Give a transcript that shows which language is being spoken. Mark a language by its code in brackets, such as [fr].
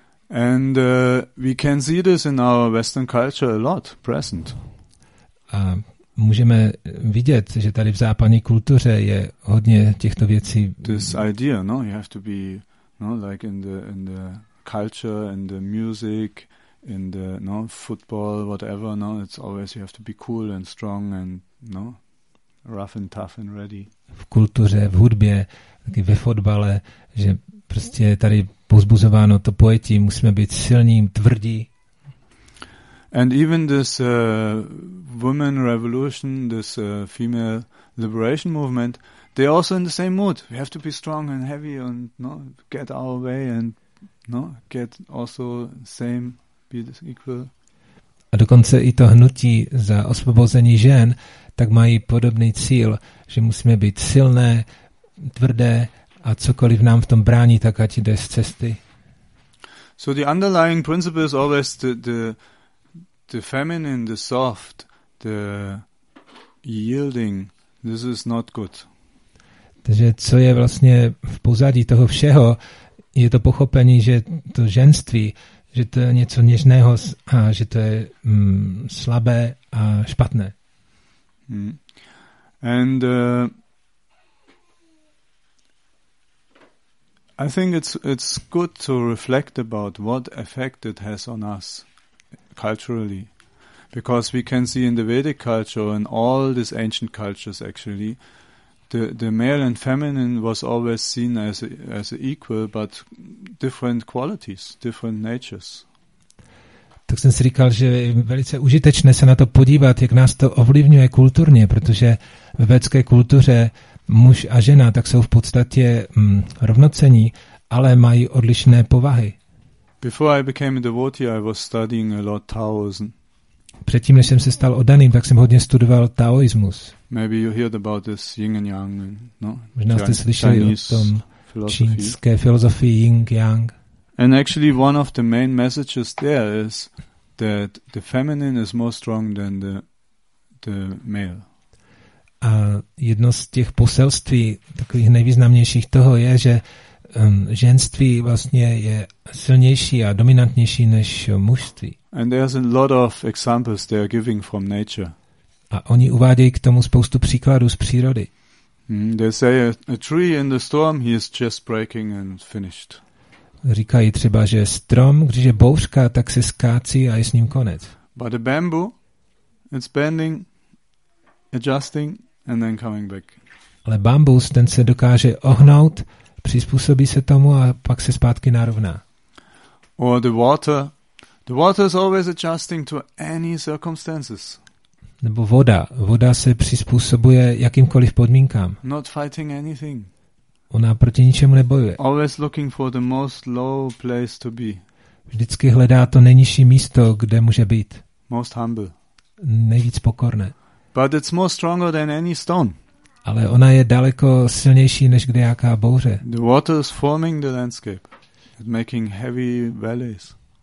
[en] And we can see this in our Western culture a lot present. [cs] A můžeme vidět, že tady v západní kultuře je hodně těchto věcí. [en] This idea, no, you have to be, no, like in the culture, in the music, in the, no, football, whatever, no, it's always you have to be cool and strong and, no, rough and tough and ready. [cs] V kultuře, v hudbě, taky ve fotbale, že prostě tady pozbuzováno to pojetí, musíme být silní, tvrdí. [en] And even this women revolution, this female liberation movement, they're also in the same mood. We have to be strong and heavy and, no, get our way and, no, get also same, be this equal. [cs] A dokonce i to hnutí za osvobození žen, tak mají podobný cíl, že musíme být silné, tvrdé a cokoliv nám v tom brání, tak ať jde z cesty. [en] So the underlying principle is always the feminine, the soft, the yielding. This is not good. [cs] Takže co je vlastně v pozadí toho všeho, je to pochopení, že to ženství, že to je něco něžného a že to je slabé a špatné. [en] And I think it's good to reflect about what effect it has on us culturally, because we can see in the Vedic culture and all these ancient cultures actually, the male and feminine was always seen as equal, but different qualities, different natures. [cs] Tak jsem si říkal, že je velice užitečné se na to podívat, jak nás to ovlivňuje kulturně, protože v vedské kultuře muž a žena tak jsou v podstatě rovnocení, ale mají odlišné povahy. [en] Before I became a devotee, I was studying a lot Taoism. [cs] Předtím, než jsem se stal oddaným, tak jsem hodně studoval taoismus. [en] Maybe you heard about this yin and yang, no? [cs] Možná jste slyšeli [en] Chinese [cs] o tom čínské filozofii yin yang. [en] And actually one of the main messages there is that the feminine is more strong than the male. [cs] A jedno z těch poselství, takových nejvýznamnějších toho je, že ženství vlastně je silnější a dominantnější než mužství. [en] And there's a lot of examples they are giving from nature. [cs] A oni uvádějí k tomu spoustu příkladů z přírody. [en] They say a tree in the storm, he is just breaking and finished. [cs] Říkají třeba, že strom, když je bouřka, tak se skácí a je s ním konec. [en] But a bamboo, it's bending, adjusting, and then coming back. [cs] Ale bambus, ten se dokáže ohnout, přizpůsobí se tomu a pak se zpátky narovná. [en] Or the water. The water is always adjusting to any circumstances. [cs] Nebo voda. Voda se přizpůsobuje jakýmkoliv podmínkám. [en] Not fighting anything. [cs] Ona proti ničemu nebojuje. [en] Always looking for the most low place to be. [cs] Vždycky hledá to nejnižší místo, kde může být. [en] Most humble. [cs] Nejvíc pokorné. [en] But it's more stronger than any stone. [cs] Ale ona je daleko silnější než kdejaká bouře. [en] The water is forming the landscape. It's making heavy valleys.